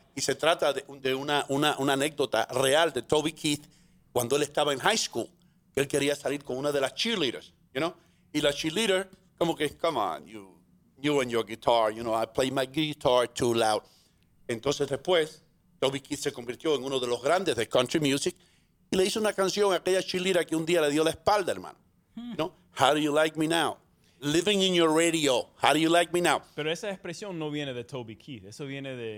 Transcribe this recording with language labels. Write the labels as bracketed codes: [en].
[es] Y se trata de una anécdota real de Toby Keith cuando él estaba en high school. Él quería salir con una de las cheerleaders, [en] you know? [es] Y la cheerleader, como que, [en] come on, you and your guitar, you know, I play my guitar too loud. [es] Entonces después, Toby Keith se convirtió en uno de los grandes de country music y le hizo una canción a aquella cheerleader que un día le dio la espalda, hermano. [en] You know? How Do You Like Me Now? Living in Your Radio, How Do You Like Me Now? [es] Pero esa expresión no viene de Toby Keith, eso viene de...